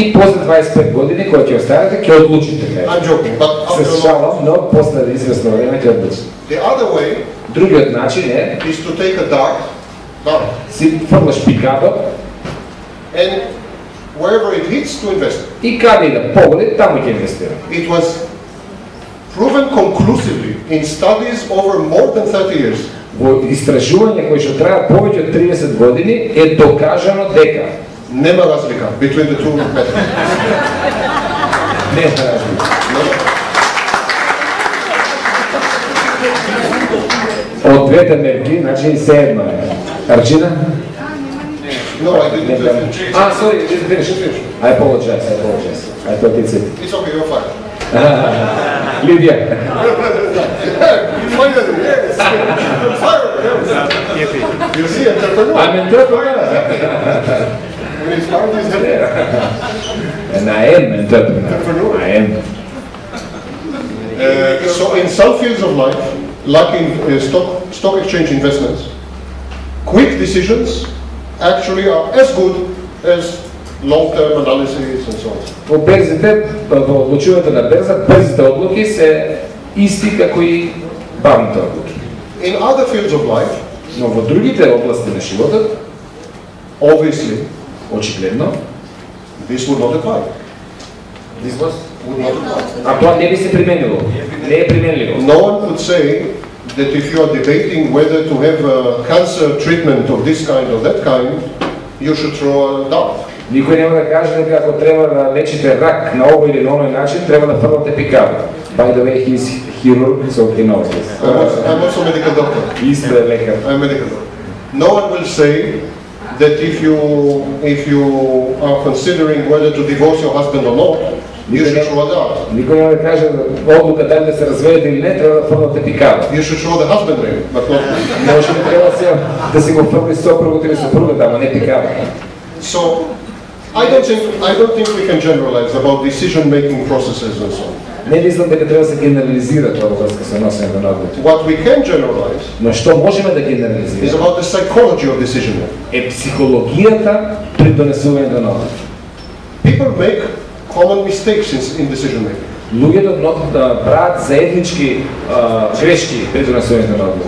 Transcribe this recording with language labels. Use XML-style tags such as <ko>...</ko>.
<mk>И после 25 години, кога ќе останете, ќе одлучите.</mk> <en>I'm joking, but after</en> <mk>се шалам, но после известно време ќе одлучите.</mk> <en>The other way,</en> <mk>другиот начин е,</mk> <en>is to take a dart,</en> <mk>си фрлаш пикадо,</mk> <en>and wherever it hits to invest.</en> <mk>И каде да погоди, таму ќе инвестира.</mk> <en>It was proven conclusively in studies over more than 30 years.</en> <mk>Во истражување кои што траат повеќе од 30 години е докажано дека нема разлика</mk> <en>between the two methods.</en> <mk>Нема разлика. Од двете мерки, значи се едно е. Арчина?</mk> <en>No, I didn't finish. Ah, sorry, didn't finish. I apologize, I apologize. I thought it's it. It's okay, you're fine. Lydia. Finally, yes. Fire. You see, entrepreneur. I'm entrepreneur. When he started his head. And I am entrepreneur. Entrepreneur. I am. So in some fields of life, lacking stock exchange investments, quick decisions, actually are as good as long-term analysis and so on.</en> <mk>Во берзите, во одлучувањето на берза, брзите одлуки се исти како и бавните одлуки.</mk> <en>In other fields of life,</en> <mk>но во другите области на животот,</mk> <en>obviously,</en> <mk>очигледно,</mk> <en>this would not apply. This was would not apply.</en> <mk>А тоа не би се применило. Не е применливо.</mk> <en>No one could say that if you are debating whether to have a cancer treatment of this kind or that kind, you should throw a dart.</en> <mk>Никој нема да каже дека ако треба да лечите рак на овој или на овој начин, треба да фрлате пикадо.</mk> <en>By the way, he's chirurg, so he knows this. I'm also a medical doctor.</en> <mk>Исто е лекар.</mk> <en>I'm a medical doctor. No one will say that if you are considering whether to divorce your husband or not, you should throw a dart.</en> <mk>Никој нема да каже одлука дали да се разведете или не, треба да фрлате пикадо.</mk> <en>You should throw the husband ring, but not me.</en> <mk>Може би треба да си го фрли сопругот или сопругата, ама не пикадо.</mk> <en>So, I don't think we can generalize about decision making processes and so on.</en> <mk>Не мислам дека треба да се генерализира тоа во врска со носење на одлуки.</mk> <en>What we can generalize?</en> <mk>Но што можеме да генерализираме?</mk> <en>Is about the psychology of decision making.</en> <mk>Е психологијата при донесувањето на одлуки.</mk> <en>People make common mistakes in decision making.</en> <mk>Луѓето многу да прават заеднички грешки при донесувањето на одлуки.</mk>